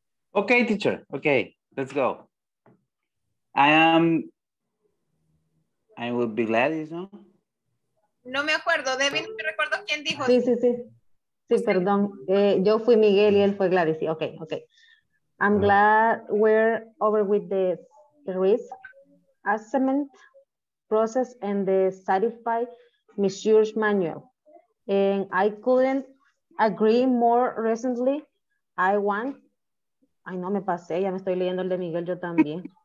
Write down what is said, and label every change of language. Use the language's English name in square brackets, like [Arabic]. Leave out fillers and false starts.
[English] Ok, teacher. Ok, let's go. I would be Gladys, ¿no? [Spanish] No me acuerdo, Devin, no me recuerdo quién dijo. Sí, sí, sí. Sí, perdón. Yo fui Miguel y él fue Gladys. Sí, ok, ok. [English] I'm glad we're over with the risk assessment process and the certified measures manual. And I couldn't agree more recently. [Spanish] Ay, no me pasé, ya me estoy leyendo el de Miguel yo también.